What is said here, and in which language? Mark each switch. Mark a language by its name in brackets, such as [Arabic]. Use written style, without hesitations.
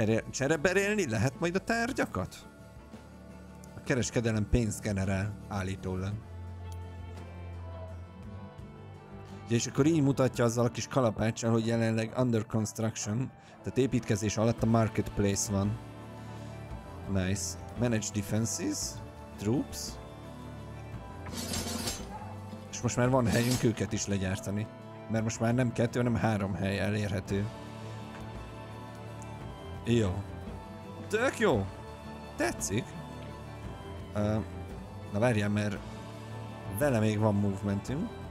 [Hungarian] Csereberélni lehet majd a tárgyakat? A kereskedelem pénzt generál, állítólag. Ugye, és akkor így mutatja azzal a kis kalapáccsal, hogy jelenleg [English] under construction, [Hungarian] tehát építkezés alatt a marketplace van. [English] Nice. Manage defenses, troops. [Hungarian] Most már van helyünk őket is legyártani. Mert most már nem 2, hanem 3 hely elérhető. Jó. Tök jó. Tetszik. Na várjál, mert vele még van movementünk.